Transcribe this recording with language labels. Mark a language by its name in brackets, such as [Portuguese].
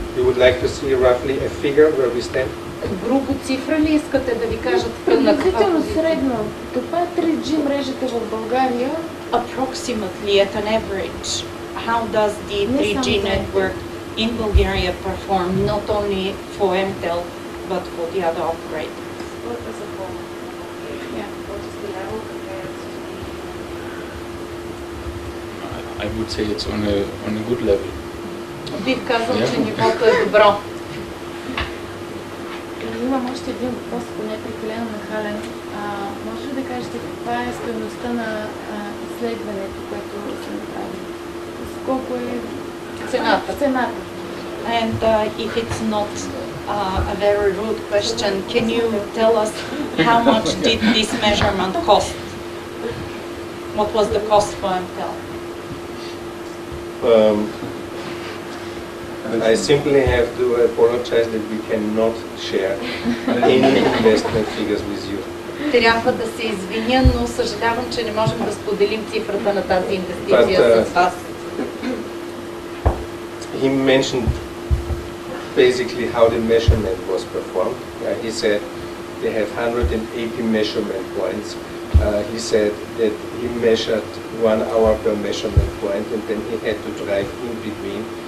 [English] You would like to see roughly a figure where we stand? [Bulgarian] Грубо цифра ли искате да ви кажат на каква позиция? Средно. Каква е 3G мрежата в България? [English] Approximately, at an average, how does the 3G network in Bulgaria perform, not only for MTEL, but for the other operators? What is the level? I would say it's on a good level. [Bulgarian] Бих казал, че нивото е добро. Имам още един въпрос, ако не е прекалено нахален. Може ли да кажете каква е стойността на изследването, което сме направили? С колко е цената? [English] And if it's not a very rude question, can you tell us how much did this measurement cost? What was the cost for MTEL? I simply have to apologize that we cannot share any investment figures with you. [Bulgarian] Трябва да се извиня, но съжалявам, че не можем да споделим цифрата на тази инвестиция с вас. [English] He mentioned basically how the measurement was performed. He said they have 180 measurement points. He said that he measured 1 hour per measurement point and then he had to drive in between.